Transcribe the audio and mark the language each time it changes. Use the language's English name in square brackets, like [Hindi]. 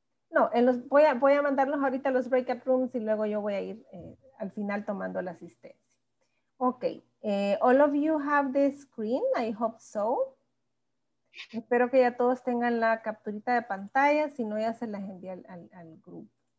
[Spanish] No, en los, voy a mandarlos ahorita a los breakout rooms y luego yo voy a ir al final tomando la asistencia. [English] Okay, all of you have this screen, I hope so. [Spanish] Espero que ya todos tengan la capturita de pantalla, si no ya se las envía al grupo.